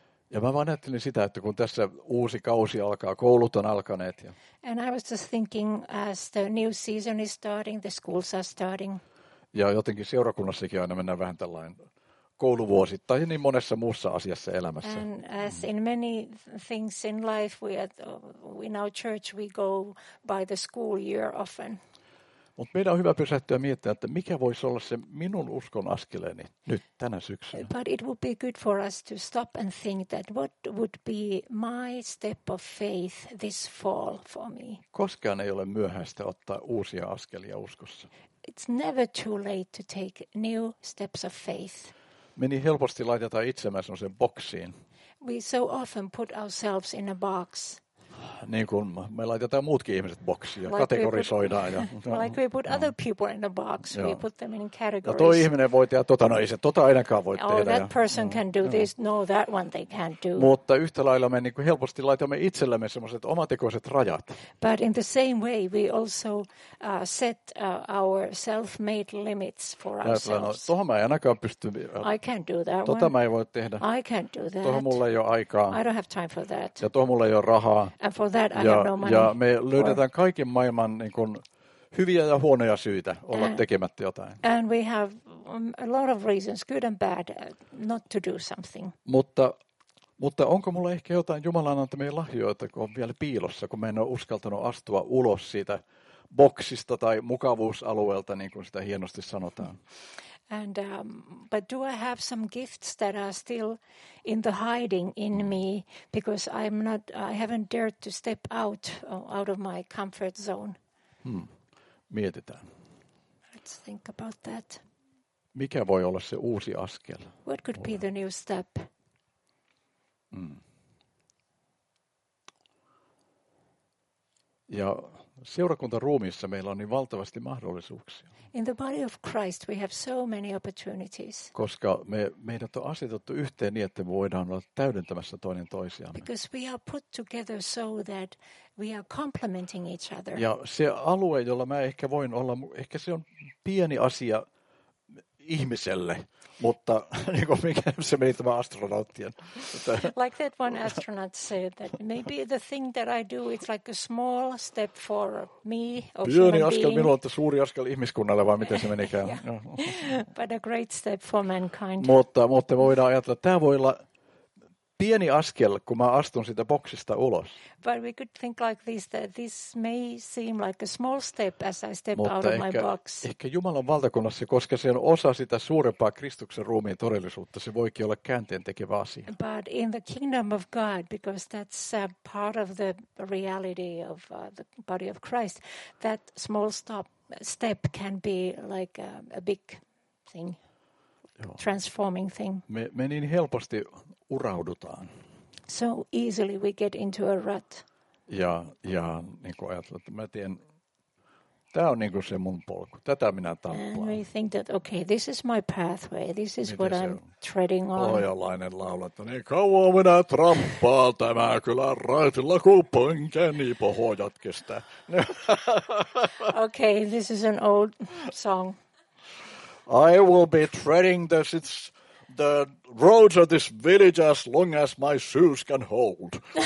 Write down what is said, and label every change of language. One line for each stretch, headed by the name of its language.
Finnish: Ja mä vaan ajattelin sitä, että kun tässä uusi kausi alkaa, koulut on alkaneet. Ja,
English: and I was just thinking, as the new season is starting, the schools are starting.
Finnish: Ja jotenkin seurakunnassakin aina mennään vähän tällainen kouluvuosittain ja niin monessa muussa asiassa elämässä.
English: And as in many things in life, in our church we go by the school year often.
Finnish: Mutta meidän on hyvä pysähtyä miettimään, että mikä voisi olla se minun uskon askeleeni nyt tänä syksynä.
English: But it would be good for us to stop and think that what would be my step of faith this fall for me.
Finnish: Koskaan ei ole myöhäistä ottaa uusia askelia uskossa.
English: It's never too late to take new steps of faith.
Finnish: Me niin helposti laitetaan itsemme sellaiseen boksiin.
English: We so often put ourselves in a box.
Finnish: Niin kuin me laitetaan muutkin ihmiset boksiin ja like kategorisoidaan.
English: Like we put other people in a box, we put them in categories.
Finnish: Ja toi ihminen voi tehdä, tota ainakaan voi tehdä.
English: Oh, that person can do this, no that one they can't do.
Finnish: Mutta yhtä lailla me niin kuin helposti laitamme itsellemme semmoiset omatekoiset rajat.
English: But in the same way we also set our self-made limits for ourselves.
Finnish: Ja, tohon mä en ainakaan pysty.
English: I can't do that one.
Finnish: Tota mä en voi tehdä.
English: I can't do that.
Finnish: Tohon mulla ei ole aikaa.
English: I don't have time for that.
Finnish: Ja tohon mulla ei ole rahaa.
English: And for that, I
Finnish: ja,
English: have no money
Finnish: ja me löydetään for. Kaiken maailman niin kuin, hyviä ja huonoja syitä olla tekemättä jotain.
English: And we have a lot of reasons, good and bad, not to do something.
Finnish: Mutta onko mulla ehkä jotain Jumalan antamia lahjoja, kun on vielä piilossa, kun mä en ole uskaltanut astua ulos siitä boksista tai mukavuusalueelta, niin kuin sitä hienosti sanotaan.
English: And but do I have some gifts that are still in the hiding in me because I haven't dared to step out of my comfort zone.
Finnish: Mietitään.
English: Let's think about that.
Finnish: Mikä voi olla se uusi askel?
English: What could be the new step?
Finnish: Ja seurakuntaruumissa meillä on niin valtavasti mahdollisuuksia.
English: In the body of Christ we have so many opportunities.
Finnish: Koska meidät on asetettu yhteen niin, että voidaan olla täydentämässä toinen toisiamme.
English: Because we are put together so that we are complementing each other.
Finnish: Ja se alue, jolla mä ehkä voin olla, ehkä se on pieni asia ihmiselle, mutta niinku mikä se meni tämä astronauttien.
English: Like that one astronaut said that maybe the thing that I do it's like a small step for me.
Finnish: Pieni askel minulle, että suuri askel ihmiskunnalle vai miten se menikään.
English: But a great step for mankind.
Finnish: Mutta voidaan ajatella, että tämä voi olla pieni askel, kun mä astun siitä boksista ulos.
English: But we could think like this, that this may seem like a small step as I step out of my box.
Finnish: Ehkä Jumalan valtakunnassa, koska se on osa sitä suurempaa Kristuksen ruumiin todellisuutta, se voikin olla käänteen tekevä asia.
English: But in the kingdom of God, because that's a part of the reality of the body of Christ, that small step can be like a big thing. Transforming thing.
Finnish: Me niin helposti uraudutaan.
English: So easily we get into a rut.
Finnish: Ja niin kuin ajatella, että mä tiedän, tämä on niin kuin se mun polku. Tätä minä tappaan.
English: And we think that, okay, this is my pathway. This is what I'm treading on.
Finnish: Pohjalainen laulaa, että niin kauan minä trampaan tämä kylä raitilla, kun pönkäni pohjat kestää.
English: Okay, this is an old song. I will be treading the roads of this village as long as my shoes can hold.